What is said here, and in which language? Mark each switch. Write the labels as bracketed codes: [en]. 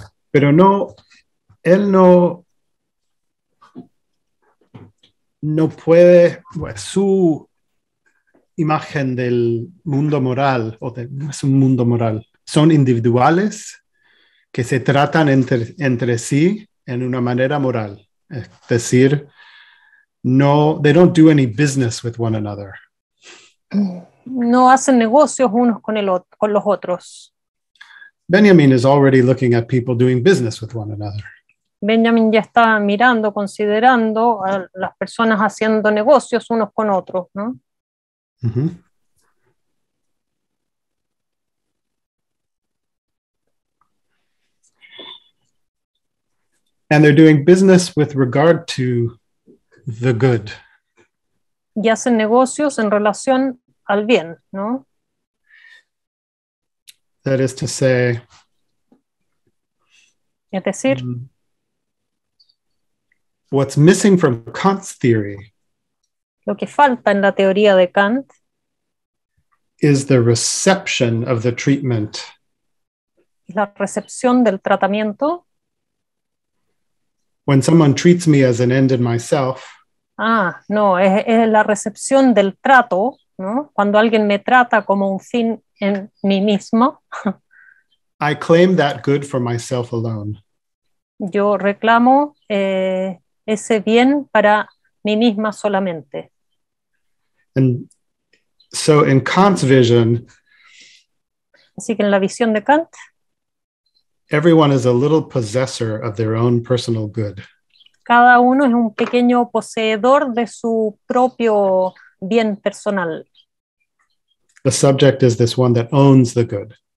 [es] Pero no, él no puede, pues, su imagen del mundo moral, o de, no es un mundo moral, son individuales que se tratan entre sí en una manera moral. Es decir, no, [en] they don't do any business with one another. [es] No hacen negocios unos con los otros. [en] Benjamin is already looking at people doing business with one another. [es] Benjamin ya está mirando, considerando a las personas haciendo negocios unos con otros, ¿no? Mm-hmm. [en] And they're doing business with regard to the good. [es] Y hacen negocios en relación al bien, ¿no? [en] That is to say, [es] es decir, [en] what's missing from Kant's theory, [es] lo que falta en la teoría de Kant, [en] is the reception of the treatment, [es] la recepción del tratamiento. [en] When someone treats me as an end in myself, [es] es la recepción del trato, ¿no? Cuando alguien me trata como un fin en mí mismo, [en] I claim that good for myself alone. [es] Yo reclamo ese bien para mí misma solamente. [en] And so in Kant's vision, [es] así que en la visión de Kant, [en] everyone is a little possessor of their own personal good. [es] Cada uno es un pequeño poseedor de su propio bien personal. [en] The subject is this one that owns the good.